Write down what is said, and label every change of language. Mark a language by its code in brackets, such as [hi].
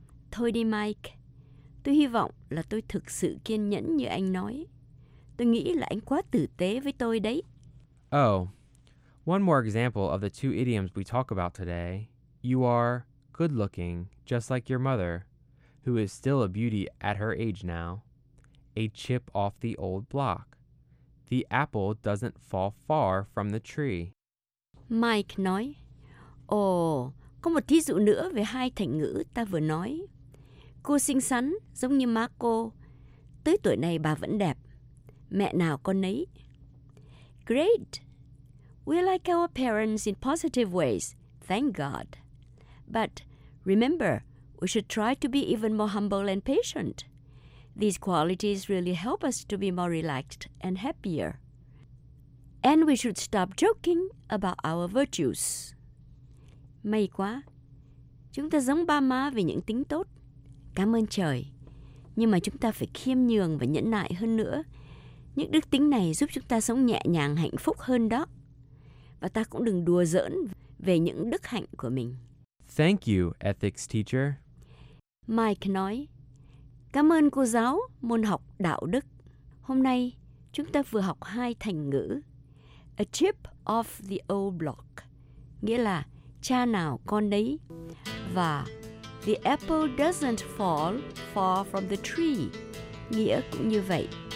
[vi] Thôi đi, Mike. Tôi hy vọng là tôi thực sự kiên nhẫn như anh nói. Tôi nghĩ là anh quá tử tế với tôi đấy. [en] Oh, one more example of the two idioms we talk about today. You are good-looking, just like your mother, who is still a beauty at her age now. A chip off the old block. The apple doesn't fall far from the tree. [vi] Mike nói, có một thí dụ nữa về hai thành ngữ ta vừa nói. Cô xinh xắn, giống như má cô. Tới tuổi này bà vẫn đẹp. Mẹ nào con nấy. [en] Great. We like our parents in positive ways. Thank God. But remember, we should try to be even more humble and patient. These qualities really help us to be more relaxed and happier. And we should stop joking about our virtues. [vi] May quá. Chúng ta giống ba má về những tính tốt. Cảm ơn trời. Nhưng mà chúng ta phải khiêm nhường và nhẫn nại hơn nữa. Những đức tính này giúp chúng ta sống nhẹ nhàng hạnh phúc hơn đó. Và ta cũng đừng đùa giỡn về những đức hạnh của mình. [en] Thank you, ethics teacher. [vi] Mike nói, cảm ơn cô giáo môn học đạo đức. Hôm nay chúng ta vừa học hai thành ngữ. [en] A chip off the old block, [vi] nghĩa là cha nào con đấy. Và [en] the apple doesn't fall far from the tree, [vi] nghĩa cũng như vậy.